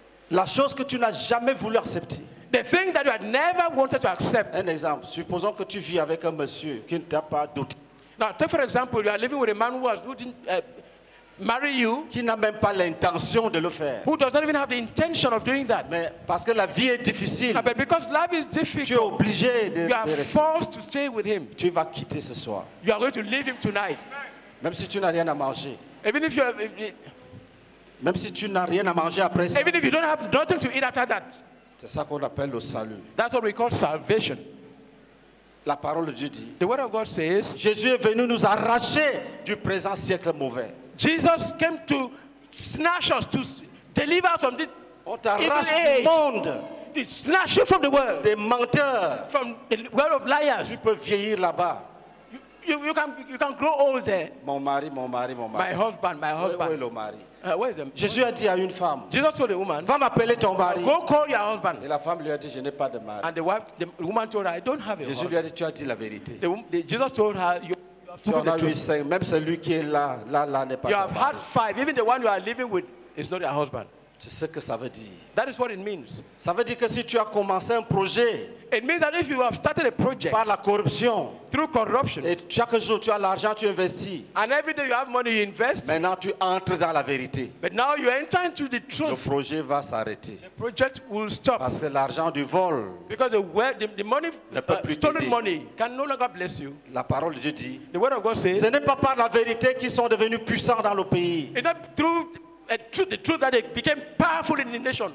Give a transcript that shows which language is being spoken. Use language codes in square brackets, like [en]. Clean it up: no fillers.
[fr] La chose que tu n'as jamais voulu accepter. [en] The thing that you had never wanted to accept. [fr] Un exemple. Supposons que tu vis avec un monsieur qui ne t'a pas douté. [en] Now, take for example, you are living with a man who didn't marry you, [fr] qui n'a même pas l'intention de le faire. [en] Who does not even have the intention of doing that. [fr] Mais parce que la vie est difficile. [en] But because life is difficult, [fr] tu es obligé de. [en] You are [fr] rester. [en] Forced to stay with him. [fr] Tu vas quitter ce soir. [en] You are going to leave him tonight. [fr] Même si tu n'as rien à manger. [en] Even if you have. [fr] Même si tu n'as rien à manger après ça. [en] Even if you don't have nothing to eat after that. [fr] C'est ça qu'on appelle le salut. [en] That's what we call salvation. [fr] La parole de Dieu dit. [en] The word of God says. [fr] Jésus est venu nous arracher du présent siècle mauvais. [en] Jesus came to snatch us, to deliver us from this evil age. Monde. He snatched you from the world. [fr] Des menteurs. [en] From the world of liars. [fr] Tu peux vieillir là-bas. [en] You can grow old there. [fr] Mon mari, mon mari, mon mari. [en] My husband. [fr] Où est le mari? Jésus a dit à une femme. [en] Jesus told the woman. [fr] Va m'appeler ton mari. [en] Go call your husband. [fr] Et la femme lui a dit, je n'ai pas de mari. [en] And the woman told her, I don't have a [fr] Jésus [en] husband. [fr] Jésus lui a dit, tu as dit la vérité. [en] Jesus told her, you. [fr] Même celui qui est là n'est pas. [en] You have had five. Even the one you are living with is not your husband. [fr] C'est ce que ça veut dire. [en] That is what it means. [fr] Ça veut dire que si tu as commencé un projet. [en] It means that if you have started a project. [fr] Par la corruption. [en] Through corruption. [fr] Et chaque jour tu as l'argent, tu investis. [en] And every day you have money, you invest. [fr] Maintenant tu entres dans la vérité. [en] But now you enter into the truth. [fr] Le projet va s'arrêter. [en] The project will stop. [fr] Parce que l'argent du vol. [en] Because the stolen money can no longer bless you. [fr] La parole de Dieu dit. [en] The word of God says. [fr] Ce n'est pas par la vérité qu'ils sont devenus puissants dans le pays. [en] It's not through the truth that they became powerful in the nation.